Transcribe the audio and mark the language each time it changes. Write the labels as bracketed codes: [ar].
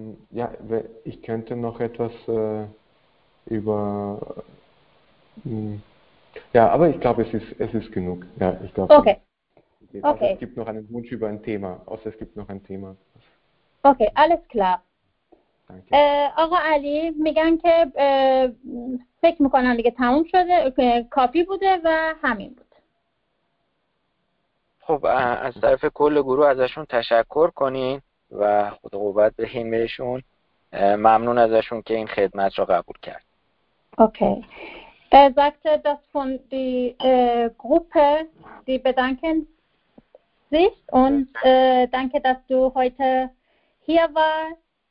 [de] Ja, ich könnte noch etwas über ja, aber ich glaube, es ist genug. Ja, ich glaube. Okay. Also, okay. Es gibt noch einen Wunsch über ein Thema. Außer es gibt noch ein Thema. Okay, alles klar. Danke. [fa] آقا علی میگن که فکر میکنن دیگه تموم شده، کافی بوده و همین بود. خب از طرف کل گروه ازشون تشکر کنین و خود قوت بدین بهشون. ممنون ازشون که این خدمت رو قبول کرد. [de] Okay. Er sagte, dass von die Gruppe, die bedanken sich und danke, dass du heute hier warst.